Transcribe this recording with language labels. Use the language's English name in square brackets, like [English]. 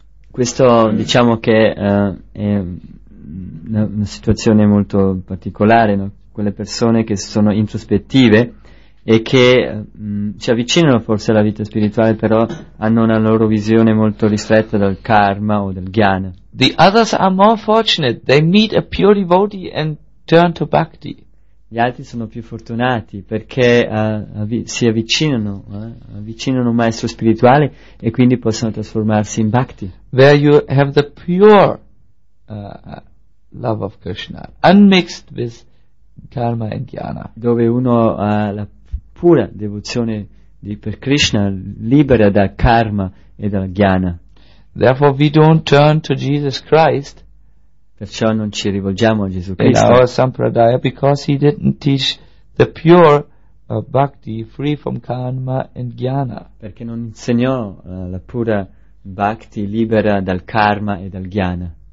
[Italian] Questo diciamo che è una situazione molto particolare, no? Quelle persone che sono introspettive e che si avvicinano forse alla vita spirituale, però hanno una loro visione molto ristretta del karma o del jnana. [English] The others are more fortunate, they meet a pure devotee and turn to bhakti. [Italian] Gli altri sono più fortunati perché si avvicinano, avvicinano un maestro spirituale e quindi possono trasformarsi in bhakti. [English] Where you have the pure love of Krishna, unmixed with karma and jnana. [Italian] Dove uno ha la pura devozione per Krishna, libera da karma e dal jnana. [English] Therefore we don't turn to Jesus Christ. [Italian] Perciò non ci rivolgiamo a Gesù Cristo. [English] In our sampradaya, because he didn't teach the pure bhakti free from karma and jnana. [Italian] Perché non insegnò la pura bhakti libera dal karma e dal jnana.